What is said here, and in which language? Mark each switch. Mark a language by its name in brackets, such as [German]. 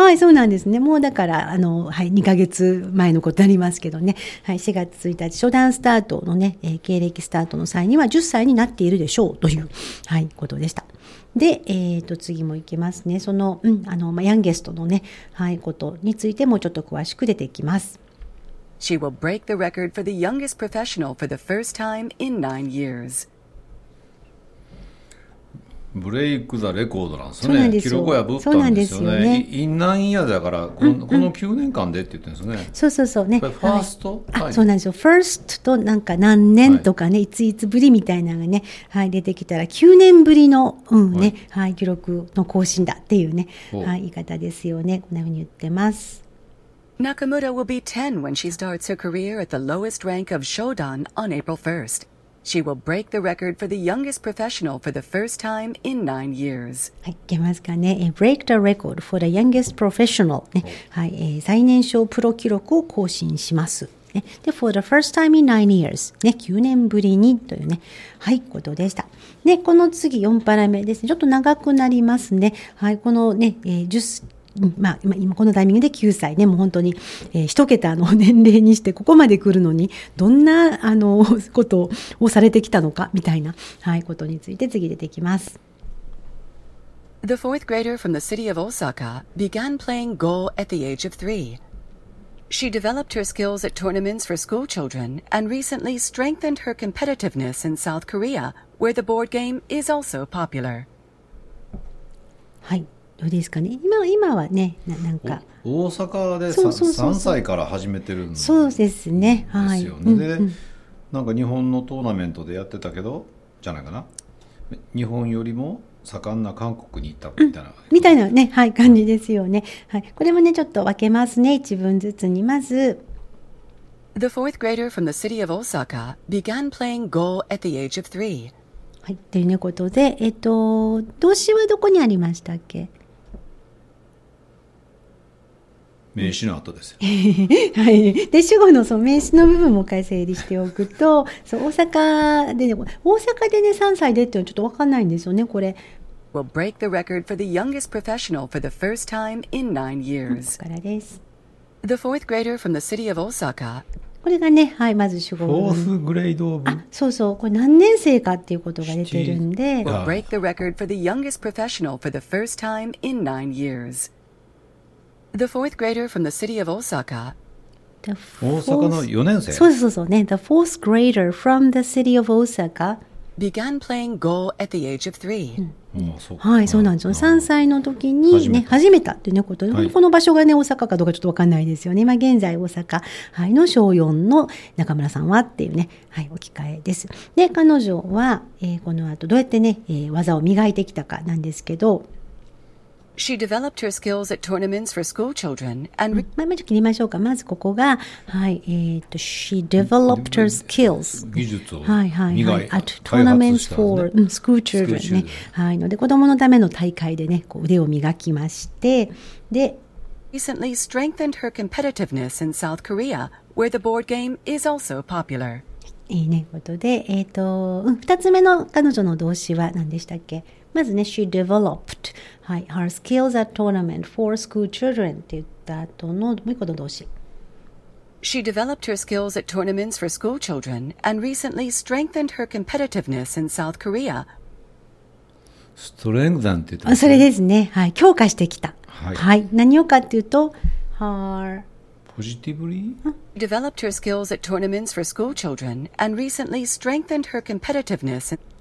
[Japanese] あ、はい、そうなんですね、もうだからあの、はい、2ヶ月前のことありますけどね、はい、4月1日初段スタートのね、経歴スタートの際には10歳になっているでしょうという、はい、ことでした。で、次もいきますね、その、うん、あの、まあ、ヤンゲストのね、はい、ことについてもちょっと詳しく出てきます。 [English] She will break the record for the youngest professional for the first time in 9 years. [Japanese] ブレイクザレコードなんですね、です記録を破ったんですよね、インナインヤーだから、うんうん、この9年間でって言ってるんですね、そうそうそうね、ファースト、はいはい、あ、そうなんですよ、ファーストとなんか何年とかね、はい、いついつぶりみたいなのがね、はい、出てきたら9年ぶりの、うん、ね、はいはい、記録の更新だっていうね、はい、言い方ですよね、こんな風に言ってます。 [English] Nakamura will be 10 when she starts her career at the lowest rank of Shodan on April 1st. She will break the record for the youngest professional for the first time in 9 years. [Japanese] はい、いけますかね。 [English] Break the record for the youngest professional.、 [Japanese] ね、はい、最年少プロ記録を更新します。ね、で、 [English] for the first time in 9 years.、 [Japanese] ね、9年ぶりにというね、はい、ことでした。で、この次4パラ目ですね。ちょっと長くなりますね。はい、このね、まあ、今このタイミングで9歳ね、もう本当に、一桁の年齢にしてここまで来るのにどんなあのことをされてきたのかみたいな、はい、ことについて次出てきます。 [English] The fourth grader from the city of Osaka began playing Go at the age of three. She developed her skills at tournaments for school children and recently strengthened her competitiveness in South Korea, where the board game is also popular. [Japanese] はい、どうですかね。今はね、なんか大阪で 3歳から始めてるんそうですね。はい。ですよね。で、なんか日本のトーナメントでやってたけど、じゃないかな。日本よりも盛んな韓国に行ったみたいな、みたいなね、はい、感じですよね。はい、これもね、ちょっと分けますね。一文ずつに、まず、 [English] The fourth grader from the city of Osaka began playing Go at the age of three。 [Japanese] はい、っていうねことで、動詞はどこにありましたっけ？名詞の後ですよ。はい。で、主語のその名詞の部分も整理しておくと、そう、大阪でね、3歳でっていうのはちょっと分かんないんですよね、これ。 [English] We'll break the record for the youngest professional for the first time in 9 years. [Japanese] ここからです。 [English] The fourth grader from the city of Osaka。 [Japanese] これがね、はい、まず主語。 [English] Fourth grade of。 [Japanese] そうそう、これ何年生かっていうことが出てるんで。 [English] We'll break the record for the youngest professional for the first time in 9 years. The fourth grader from the city of Osaka. [Japanese] 大阪の4年生。そうそうそうね。 [English] The fourth grader from the city of Osaka began playing Go at the age of three.、 [Japanese] うん、はい、そうなんですよ。3歳の時にね、始めたっていうことで、はい、この場所がね、大阪かどうかちょっと分かんないですよね。今現在大阪、はい、の小4の中村さんはっていうね、はい、置き換えです。で、彼女は、この後どうやってね、技を磨いてきたかなんですけど、 [English] She developed her skills at tournaments for school children and [Japanese] まず切りましょうか。まずここが、はい、 [English] She developed her skills [Japanese] 技術を、はいはいはい、 [English] at tournaments for school children、 [Japanese] ね、はい、ので子供のための大会でね、こう腕を磨きまして、で [English] Recently strengthened her competitiveness in South Korea where the board game is also popular。 [Japanese] いいね、ことで、2つ目の彼女の動詞は何でしたっけ。まずね、 [English] She developed、 [Japanese] はい、 [English] her skills at tournament for school children [Japanese] って言った後のもう一個の動詞。 [English] She developed her skills at tournaments for school children and recently strengthened her competitiveness in South Korea. [Japanese] Strengthened って言った、ね、それですね、はい、強化してきた、はいはい、何をかっていうと Her [English] Positively developed her skills at tournaments for school children and recently strengthened her competitiveness in